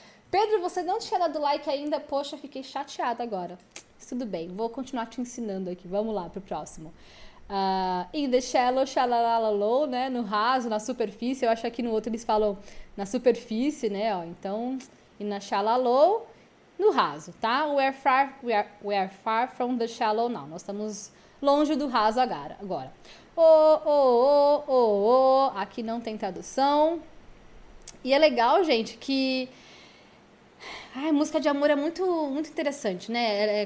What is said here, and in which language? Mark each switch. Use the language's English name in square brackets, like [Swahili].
[Portuguese] Pedro, você não tinha dado like ainda. Poxa, fiquei chateada agora. Tudo bem, vou continuar te ensinando aqui. Vamos lá pro próximo. [English] In the shallow, shallow, né? [Portuguese] No raso, na superfície. Eu acho que no outro eles falam na superfície, né? Ó, então, [English] in the shallow, [Portuguese] no raso, tá? [English] We are far from the shallow now. [Portuguese] Nós estamos longe do raso agora. Oh, aqui não tem tradução. E é legal, gente, que a música de amor é muito, muito interessante, né?